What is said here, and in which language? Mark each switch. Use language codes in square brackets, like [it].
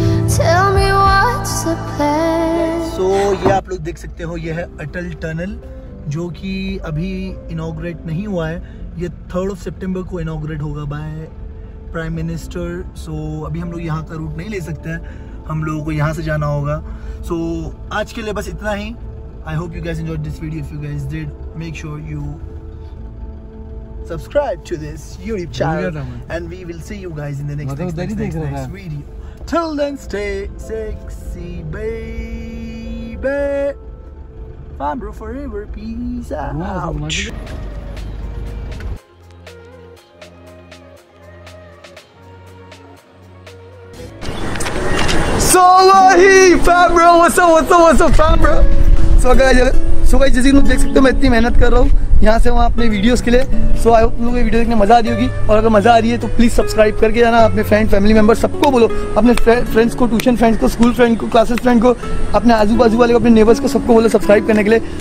[hi] सो ये आप लोग देख सकते हो, ये है अटल टनल जो कि अभी इनॉग्रेट नहीं हुआ है। ये 3rd of September को इनॉग्रेट होगा [en] By prime minister. [hi] सो अभी हम लोग यहाँ का रूट नहीं ले सकते हैं, हम लोगों को यहाँ से जाना होगा। सो आज के लिए बस इतना ही। [en] I hope you guys enjoyed this video. If you guys did, make sure you subscribe to this YouTube channel. And we will see you guys in the next video. Till then, stay sexy, baby. Fun bro forever. Peace out. So he fam bro, what's up, fam bro? [hi] So guys जैसे कि तुम देख सकते हो मैं इतनी मेहनत कर रहा हूँ यहाँ से वहाँ अपने वीडियोस के लिए। [en] so I hope [hi] लोगों को वीडियो देखने मज़ा आ रही होगी, और अगर मज़ा आ रही है तो प्लीज़ सब्सक्राइब करके जाना। अपने फ्रेंड फैमिली मेम्बर सबको बोलो, अपने फ्रेंड्स को, ट्यूशन फ्रेंड्स को, स्कूल फ्रेंड को, क्लासेस फ्रेंड को, अपने आजू बाजू वाले को, अपने नेबर्स को सबको बोलो सब्सक्राइब करने के लिए।